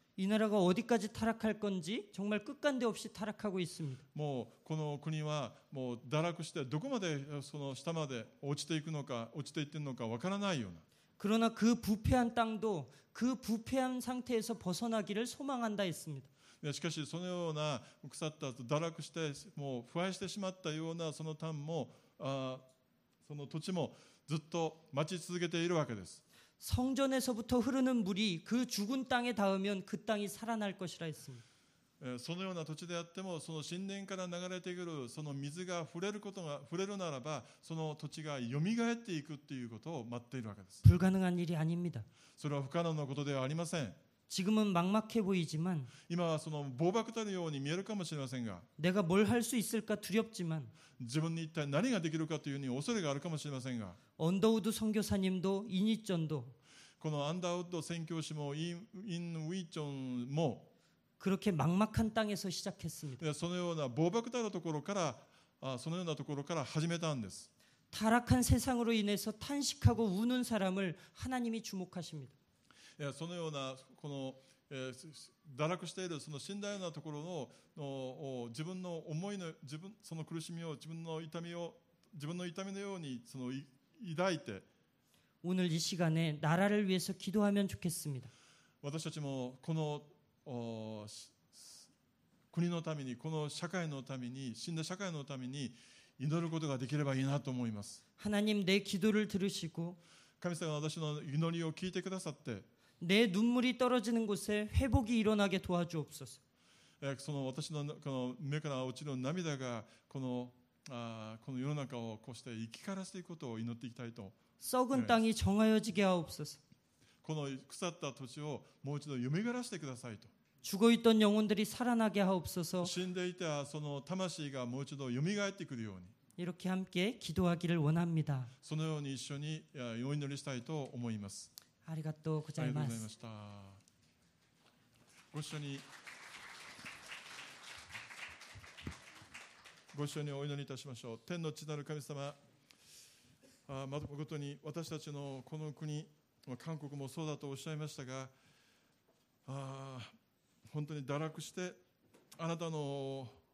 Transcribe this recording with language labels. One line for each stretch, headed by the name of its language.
Korean: 이나라가어디까지타락할건지정말끝간데없이타락하고있습니다。
Japanese: もうこの国はもう堕落してどこまでその下まで落ちていくのか落ちていってんのかわからないような。
Korean: 그러나그부패한땅도그부패한상태에서벗어나기를소망한다했습니다。
Japanese: しかしそのような腐った堕落してもう腐敗してしまったようなその田んぼその土地もずっと待ち続けているわけです。
Korean: 성전에서부터흐르는물이그죽은땅에닿으면그땅이살아날것이라했습니다。
Japanese: そのような土地であってもその神殿から流れてくるその水が触れることが触れるならばその土地がよみがえっていくということを待っているわけです。
Korean: 불가능한일이아닙니다。
Japanese: それは不可能なことではありません。
Korean: 지금은막막해보이지만
Japanese: 今はその暴爆たるように見えるかもしれませんが
Korean: 내가뭘할수있을까두렵지만
Japanese: 自分に一体何ができるかというように恐れがあるかもしれませんが
Korean: 언더우드선교사님도인위전도
Japanese: このアンダーウッド宣教師もインウィチョンも
Korean: 그렇게막막한땅에서시작했습니다
Japanese: そのような暴爆たるところからそのようなところから始めたんです
Korean: 타락한세상으로인해서탄식하고우는사람을하나님이주목하십니다
Japanese: そのようなこの堕落しているその死んだようなところ の自分の思いの自分その苦しみを自分の痛みを自分の痛みのようにその抱いて
Korean: 오늘이시간에나라를위해서기도하면좋겠습니다
Japanese: 私たちもこの国のためにこの社会のために死んだ社会のために祈ることができればいいなと思います
Korean: 하나님내기도를들으시고
Japanese: 神様が私の祈りを聞いてくださって
Korean: 내눈물이떨어지는곳에회복이일어나게도와주옵소서
Japanese: その私のこの目から落ちる涙がこのこの世の中をこうして生き返らせていくことを祈っていきたいと
Korean: 썩은땅이정하여지게하옵소서
Japanese: この腐った土地をもう一度よみがえらせてくださいと
Korean: 죽어있던영혼들이살아나게하옵소서
Japanese: 死んでいたその魂がもう一度よみがえってくるように
Korean: 이렇게함께기도하기를원합니다
Japanese: そのように一緒にお祈りしたいと思いますありがとうございます。ありがとうございました。ご一緒にお祈りいたしましょう。天の父なる神様、誠に私たちのこの国、韓国もそうだとおっしゃいましたが、本当に堕落して、あなたの